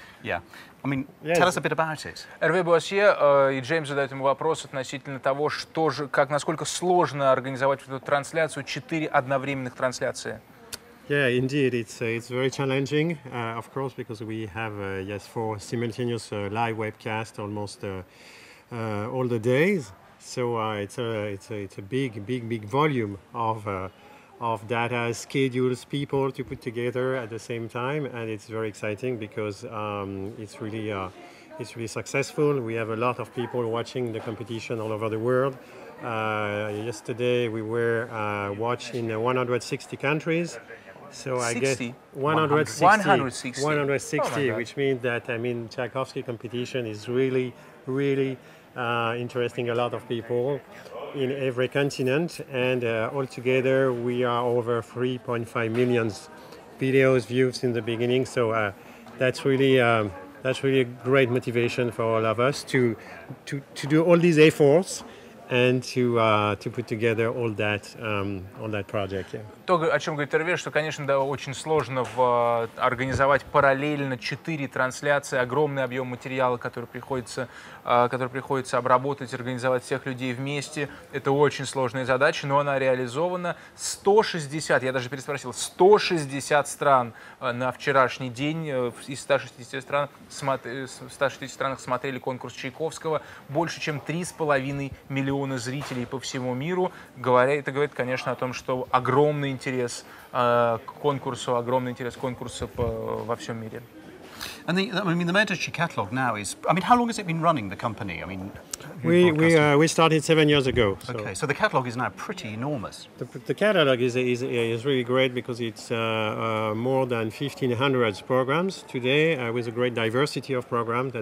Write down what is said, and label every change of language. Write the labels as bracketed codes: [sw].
[en] Yeah. I mean, tell us a bit about it. [ru] Эрве Буассье и Джеймс задают ему вопрос относительно того, что же, как, насколько сложно организовать эту трансляцию, четыре одновременных трансляции. [en] Yeah, indeed, it's very challenging, of course, because we have four simultaneous live webcasts almost all the days. So it's a big volume of data, schedules, people to put together at the same time, and it's very exciting because it's really successful. We have a lot of people watching the competition all over the world. Yesterday we were watched in 160 countries. So I guess 160, which means that, I mean, Tchaikovsky competition is really, really interesting a lot of people in every continent, and altogether we are over 3.5 million videos viewed in the beginning. So that's really a great motivation for all of us to do all these efforts and to put together all that project. Yeah. [ru] То, о чем говорит Эрве, что, конечно, да, очень сложно организовать параллельно четыре трансляции, огромный объем материала, который приходится обработать, организовать всех людей вместе. Это очень сложная задача, но она реализована. 160, я даже переспросил, 160 стран на вчерашний день, из 160 стран смотрели конкурс Чайковского, больше чем 3,5 миллиона зрителей по всему миру. Это говорит, конечно, о том, что огромный интерес к конкурсу, огромный интерес к конкурсу во всем мире. [en] And the Medici catalog now is, I mean, how long has it been running, the company? I mean, we started 7 years ago. So. Okay, so the catalog is now pretty enormous. The catalog is really great because it's more than 1,500 programs today with a great diversity of programs.